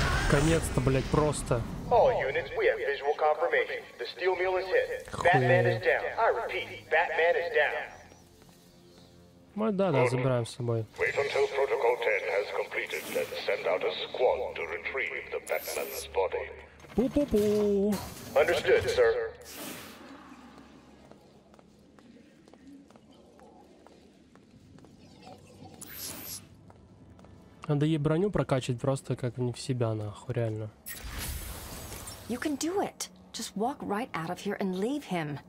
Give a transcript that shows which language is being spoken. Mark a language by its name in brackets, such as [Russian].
[Russian] Конец-то, блять, просто. [English] All units, we have visual confirmation. The steel mill is hit. Batman is down. I repeat, Batman is down. [Russian] Мы, да, да, забираем с собой. [English] Wait until Protocol 10 has completed and send out a squad to retrieve the Batman's body. Пу-пу-пу. Understood, sir. [Russian] Надо ей броню прокачать просто как не в себя, нахуй, реально. [English] You can do it. Just walk right out of here and leave him.